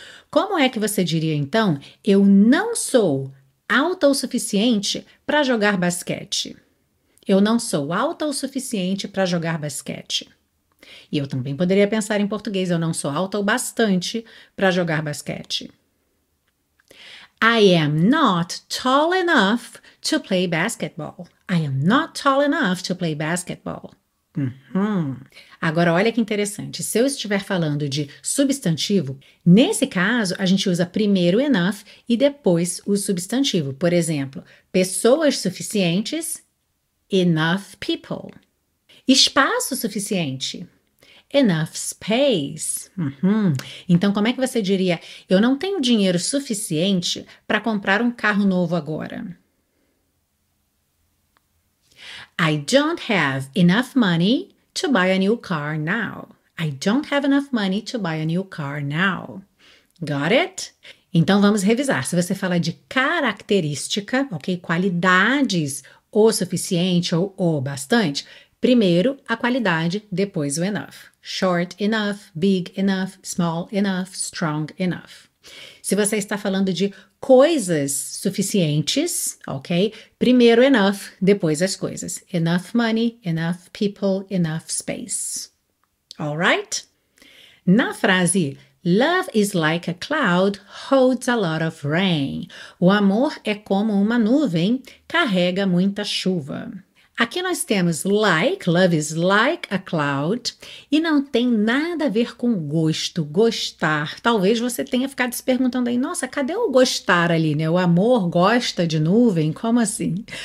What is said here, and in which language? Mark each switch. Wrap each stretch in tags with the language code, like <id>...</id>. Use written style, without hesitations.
<pt>Como é que você diria então, eu não sou alta o suficiente para jogar basquete? Eu não sou alta o suficiente para jogar basquete. E eu também poderia pensar em português, eu não sou alta o bastante para jogar basquete.</pt> <en>I am not tall enough to play basketball. I am not tall enough to play basketball. Uhum.</en> <pt>Agora, olha que interessante. Se eu estiver falando de substantivo, nesse caso, a gente usa primeiro enough e depois o substantivo. Por exemplo, pessoas suficientes...</pt> <en>enough people.</en> <pt>Espaço suficiente.</pt> <en>Enough space. Uhum.</en> <pt>Então, como é que você diria, eu não tenho dinheiro suficiente para comprar um carro novo agora?</pt> <en>I don't have enough money to buy a new car now. I don't have enough money to buy a new car now. Got it?</en> <pt>Então, vamos revisar. Se você fala de característica, ok, qualidades o suficiente ou o bastante, primeiro a qualidade, depois o enough.</pt> <en>Short enough, big enough, small enough, strong enough.</en> <pt>Se você está falando de coisas suficientes, ok? Primeiro enough, depois as coisas.</pt> <en>Enough money, enough people, enough space. All right?</en> <pt>Na frase,</pt> <en>love is like a cloud, holds a lot of rain.</en> <pt>O amor é como uma nuvem, carrega muita chuva. Aqui nós temos like,</pt> <en>love is like a cloud,</en> <pt>e não tem nada a ver com gosto, gostar. Talvez você tenha ficado se perguntando aí, nossa, cadê o gostar ali, né? O amor gosta de nuvem, como assim?</pt>